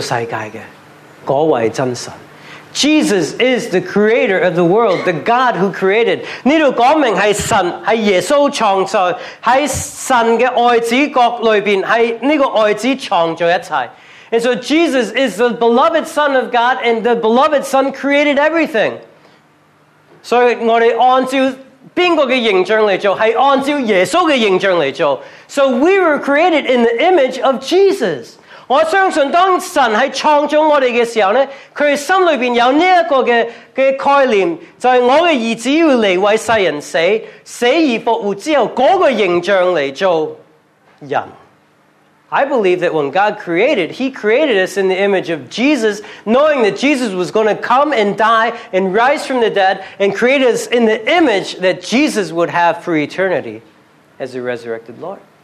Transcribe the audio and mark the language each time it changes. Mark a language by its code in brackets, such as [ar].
[zh] 不能看见的，或是有位的、主治的、执政的、掌权的，一概都是藉着他做的，又是为他做的。他在万有之先，万有也靠他而立。耶稣呢，就是创造世界的那位真神。 [en] Jesus is the creator of the world, the God who created. [zh] 这里说明是神,是耶稣创造,在神的爱子国里面,是这个爱子创造一切。 [en] And so Jesus is the beloved Son of God, and the beloved Son created everything. [zh] 所以我们按照哪个的形象来做,是按照耶稣的形象来做。 [en] So we were created in the image of Jesus. [zh] 我相信当神在创造我们的时候,他心里面有这个概念,就是我的儿子要来为世人死,死而复活之后,那个形象来做人。 [en] I believe that when God created, He created us in the image of Jesus, knowing that Jesus was going to come and die and rise from the dead, and create us in the image that Jesus would have for eternity as the resurrected Lord.